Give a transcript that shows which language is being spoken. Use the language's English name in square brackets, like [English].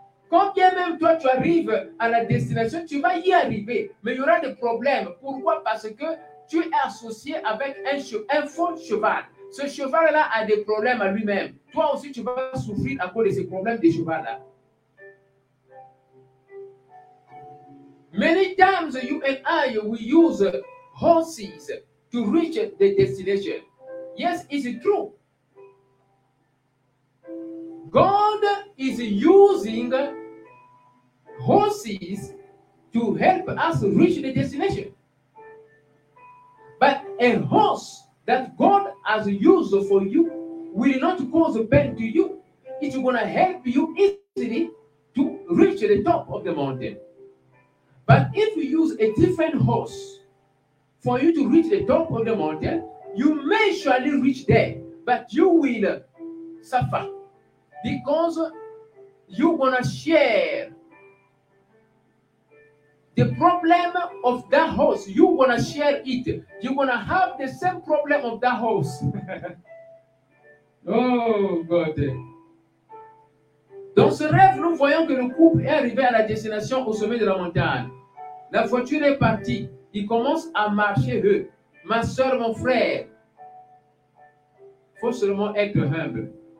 [French] Quand bien même toi, tu arrives à la destination, tu vas y arriver. Mais il y aura des problèmes. Pourquoi? Parce que tu es associé avec un faux cheval. Ce cheval-là a des problèmes à lui-même. Toi aussi, tu vas souffrir à cause de ces problèmes du cheval-là. [English] Many times you and I, we use horses to reach the destination. Yes, is it true? God is using horses to help us reach the destination. But a horse that God has used for you will not cause pain to you. It's going to help you easily to reach the top of the mountain. But if you use a different horse for you to reach the top of the mountain, you may surely reach there, but you will suffer because you're going to share the problem of that horse. You're going to share it. You're going to have the same problem of that horse. Oh, God. [French] Dans ce rêve, nous voyons que le couple est arrivé à la destination au sommet de la montagne. La voiture est partie. Ils commencent à marcher, eux. Ma soeur, mon frère. Il faut seulement être humble.